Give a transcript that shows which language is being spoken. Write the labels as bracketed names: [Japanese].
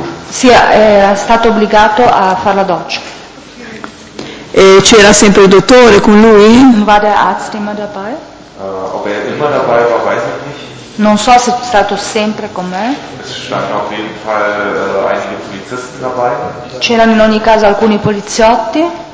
[Italian] Sì, è stato obbligato a fare la doccia. E c'era sempre il dottore con lui? [German] War der Arzt immer dabei? Ob er immer dabei war, weiß ich nicht. [Italian] Non so se è stato sempre con me. [German] Es standen auf jeden Fall einige Polizisten dabei. [Italian] C'erano in ogni caso alcuni poliziotti.